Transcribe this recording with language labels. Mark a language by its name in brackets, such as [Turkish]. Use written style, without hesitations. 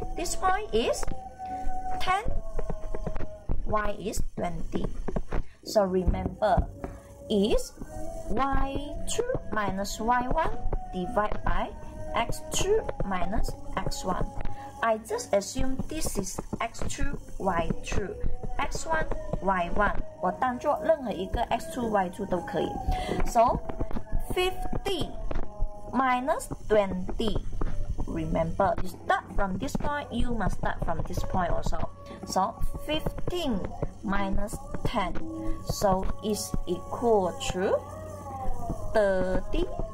[English] This point is 10, y is 20. So remember, is y2 minus y1 divided by x2 minus x1. I just assume this is x2, y2, x1, y1. [Chinese] 我当作任何一个 x2, y2 都可以。 [English] So, 50 minus 20. Remember, you start from this point, you must start from this point also. So, 15 minus 10. So, is equal to 30.